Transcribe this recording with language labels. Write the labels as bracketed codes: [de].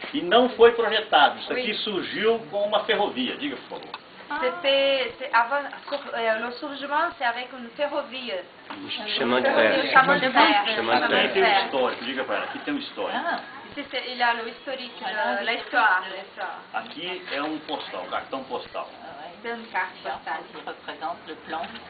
[pt] E não foi projetado, isso aqui surgiu com uma ferrovia, diga por favor. [fr] Le surgement, c'est avec une ferrovia. Chemin de fer. Chemin de fer. Chemin de fer. [pt] Tem um histórico, diga para ela. Aqui tem um histórico. [fr] Il y a le historique, l'histoire. [pt] Aqui é um postal, cartão postal. [fr] C'est une carte postale qui représente le plan.